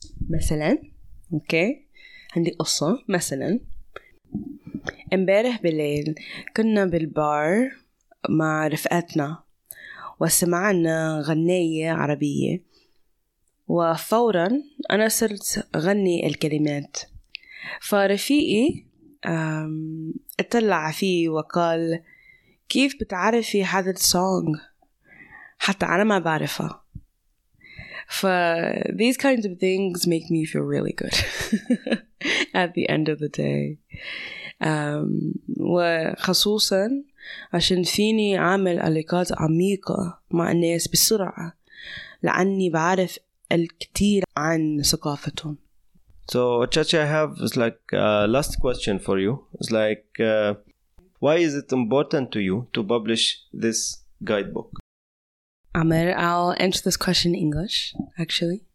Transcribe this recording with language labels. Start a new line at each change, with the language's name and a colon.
Arabic: مثلا أوكي، عندي قصة. مثلا امبارح بالليل كنا بالبار مع رفقاتنا وسمعنا غنية عربية، وفورا أنا صرت غني الكلمات، فرفيقي اطلع فيه وقال كيف بتعرفي هذا السونغ؟ حتى أنا ما بعرفه.
English: ف these kinds of things make me feel really good at the end of the day.
Arabic: وخصوصا عشان فيني عامل علاقات عميقة مع الناس بسرعة لأني بعرف الكثير عن ثقافتهم.
English: So, Chachi, I have last question for you. It's why is it important to you to publish this guidebook? Amir, I'll answer this question in English, actually.